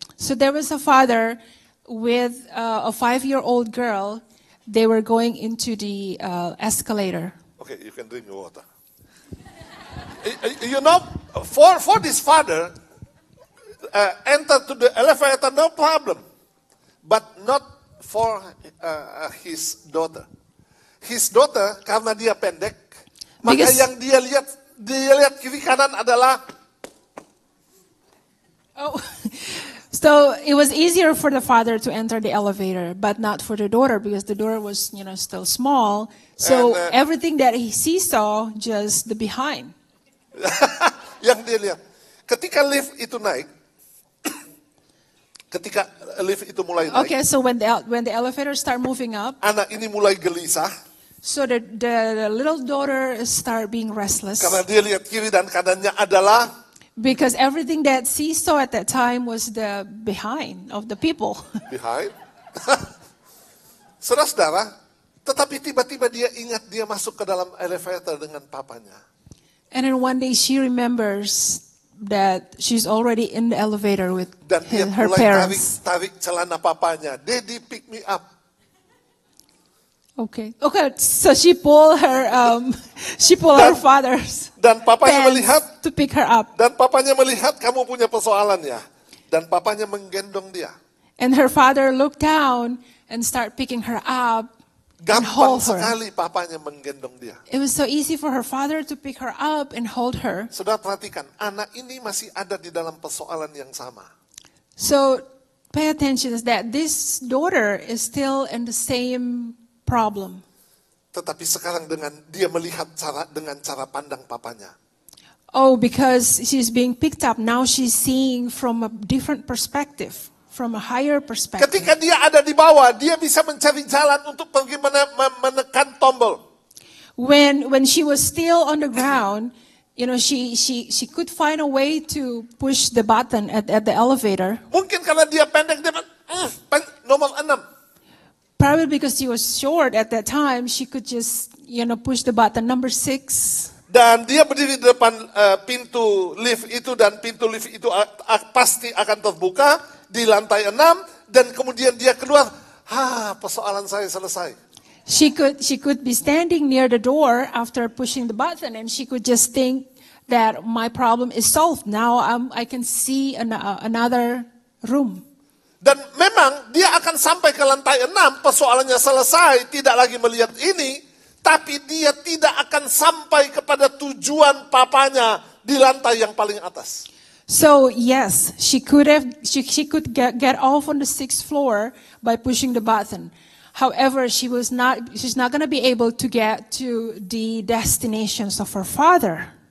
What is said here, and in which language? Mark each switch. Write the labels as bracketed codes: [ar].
[en] So there was a father with a 5-year-old girl. They were going into the escalator. Okay, you can drink your water. You know, for this father, enter to the elevator, no problem. But not for his daughter. His daughter, [id] karena dia pendek, maka yang dia lihat kiri kanan adalah. [en] Oh, so it was easier for the father to enter the elevator, but not for the daughter, because the daughter was, you know, still small. So and, everything that he saw, just the behind. [id] Yang dia lihat. Ketika lift itu naik, ketika lift itu mulai naik. [en] Okay, so when the elevator start moving up. [id] Anak ini mulai gelisah. [en] So the little daughter start being restless. [id] Karena dia lihat kiri dan kanannya adalah. [en] Because everything that she saw at that time was the behind of the people. Behind? [id] Saudara-saudara, tetapi tiba-tiba dia ingat dia masuk ke dalam elevator dengan papanya. [en] And then one day she remembers that she's already in the elevator with her parents. [id] Dan dia mulai tarik celana papanya. [en] Daddy, pick me up. Okay. So she pull her her father's. [id] Dan papanya melihat [en] to pick her up. [id] Dan papanya melihat kamu punya persoalan ya. Dan papanya menggendong dia. [en] And her father looked down and start picking her up. [id] Gampang sekali papanya menggendong dia. [en] It was so easy for her father to pick her up and hold her. [id] Sudah perhatikan, anak ini masih ada di dalam persoalan yang sama. [en] So pay attention is that this daughter is still in the same problem. [id] Tetapi sekarang dengan dia melihat dengan cara pandang papanya. [en] Oh, because she's being picked up, now she's seeing from a different perspective. From a higher perspective. [id] Ketika dia ada di bawah, dia bisa mencari jalan untuk pergi menekan tombol. [en] When she was still on the ground, you know, she could find a way to push the button at the elevator. [id] Mungkin karena dia pendek, dia nomor 6. [en] Probably because she was short at that time, she could just, you know, push the button number 6. [id] Dan dia berdiri di depan pintu lift itu, dan pintu lift itu pasti akan terbuka di lantai 6, dan kemudian dia keluar, persoalan saya selesai. [en] She could be standing near the door after pushing the button, and she could just think that my problem is solved. Now I can see another room. [id] Dan memang dia akan sampai ke lantai 6, persoalannya selesai, tidak lagi melihat ini, tapi dia tidak akan sampai kepada tujuan papanya di lantai yang paling atas. [en] So yes, she could get off on the sixth floor by pushing the button. However, she's not going to be able to get to the destinations of her father.